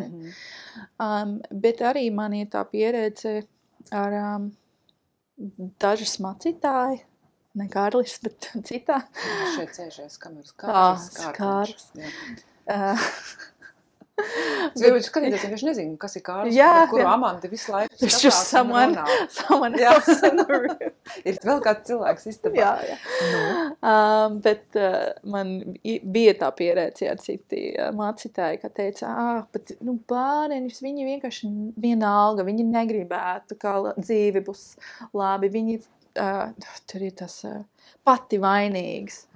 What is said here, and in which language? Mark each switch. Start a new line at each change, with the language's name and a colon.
Latvian: Mm-hmm. Bet arī man ir tā pieredze ar dažas macītāji, ne Kārlis, bet citā. Šeit sēžēs kameras Kārlis. Zvīvoči skatīties, viņš nezin, kas ir Kārlis, kuru Amanti visu laiku skatās.
English: It's just someone else in the room.
Latvian: Ir vēl kāds cilvēks istabā. Jā, jā. Nu. Bet man bija tā pieredze ar citi mācītāji, ka teica, bet nu, bērniņus, viņi vienkārši vienalga, viņi negribētu, kā dzīve būs labi, viņi tur ir tas pati vainīgs.